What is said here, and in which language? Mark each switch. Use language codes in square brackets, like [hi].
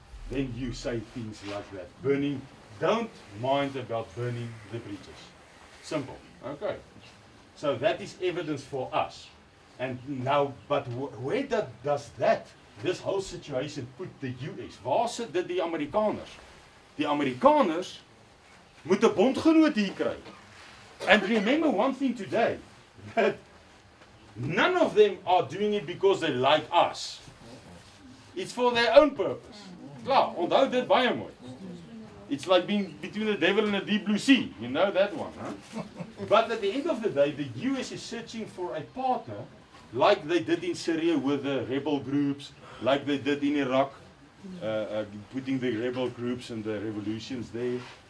[en] Then you say things like that. Burning, don't mind about burning the bridges. Simple. Okay. So that is evidence for us. And now, but where does that, this whole situation put the US? [af] Waar sit dit die Amerikaners? Die Amerikaners moet 'n bondgenoot hier kry. [en] And remember one thing today, that none of them are doing it because they like us. It's for their own purpose. [af] Klaar, onthou dit baie mooi. [en] It's like being between the devil and the deep blue sea. You know that one, huh? But at the end of the day, the US is searching for a partner, like they did in Syria with the rebel groups, like they did in Iraq, putting the rebel groups and the revolutions there.